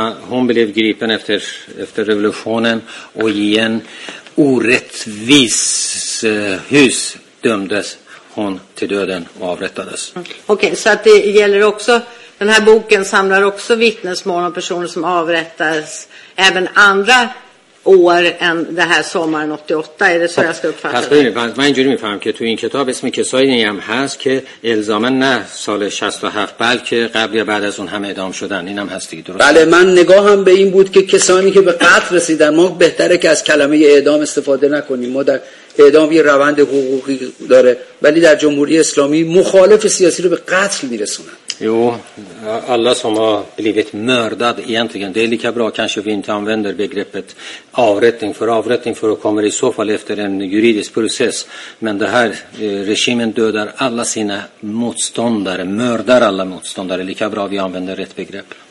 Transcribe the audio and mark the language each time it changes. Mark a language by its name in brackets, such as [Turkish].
[Swedish] Hon blev gripen efter revolutionen och i en orättvis hus dömdes hon till döden och avrättades. Okej, så att det gäller också, den här boken samlar också vittnesmål om personer som avrättas, även andra år än det här sommaren 88, är det så jag ska uppfatta det? Pass, men [Persian] اینجوری میفهمم که تو این کتاب اسم کسایی هم هست که الزاما نه سال 67 بلکه قبل یا بعد از اون هم اعدام شدن، اینم هست دیگه، درست؟ بله، من نگاهم به این بود که کسانی که به قتل رسیدن، ما بهتره که از کلمه اعدام استفاده نکنیم، ما در اعدام یه روند حقوقی داره، ولی در جمهوری اسلامی مخالف سیاسی رو به قتل میرسونن. [Swedish] Jo, alla som har blivit mördad egentligen, det är lika bra kanske vi inte använder begreppet avrättning för avrättning, för det kommer i så fall efter en juridisk process. Men det här regimen dödar alla sina motståndare, mördar alla motståndare, lika bra vi använder rätt begrepp.